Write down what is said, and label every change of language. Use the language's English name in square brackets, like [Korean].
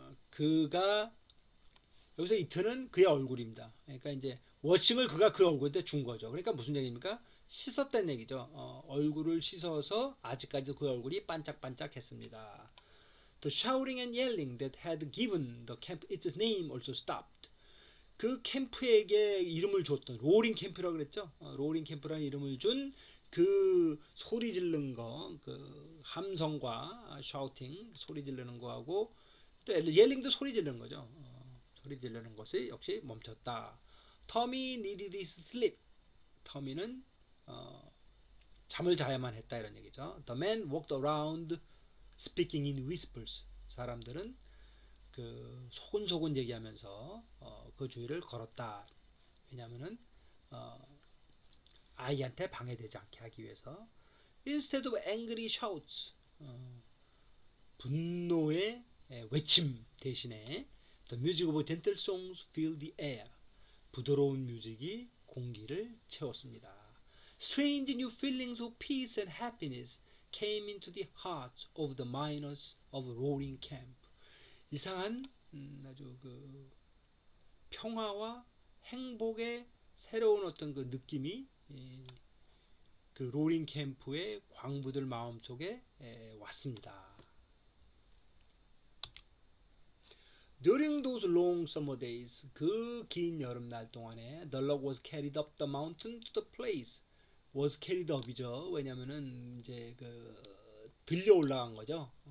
[Korean] 그가 여기서 it는 그의 얼굴입니다. 그러니까 이제 워싱을 그가 그 얼굴에 준 거죠. 그러니까 무슨 얘기입니까? 씻었다는 얘기죠. 얼굴을 씻어서 아직까지 그 얼굴이 반짝반짝했습니다. [English] The shouting and yelling that had given the camp its name also stopped. [Korean] 그 캠프에게 이름을 줬던 로링 캠프라고 그랬죠. 로링 캠프라는 이름을 준그 소리 지르는 거, 그 함성과 shouting 소리 지르는 거하고 또 yelling도 소리 지르는 거죠. 소리 지르는 것이 역시 멈췄다. [English] Tommy needed his sleep. [Korean] Tommy는 잠을 자야만 했다 이런 얘기죠. [English] The man walked around speaking in whispers. [Korean] 사람들은 그 소곤소곤 얘기하면서 그 주위를 걸었다. 왜냐하면은 아이한테 방해되지 않게 하기 위해서. [English] Instead of angry shouts, [Korean] 분노의 외침 대신에 [English] The music of gentle songs filled the air. [Korean] 부드러운 뮤직이 공기를 채웠습니다. [English] Strange new feelings of peace and happiness came into the hearts of the miners of Roaring Camp. [Korean] 이상한 아주 그 평화와 행복의 새로운 어떤 그 느낌이 그 로링 캠프의 광부들 마음속에 왔습니다. [English] During those long summer days, [Korean] 그긴 여름날 동안에 [English] the log was carried up the mountain to the place was carried up이죠. [Korean] 왜냐면은 이제 그 들려 올라간 거죠.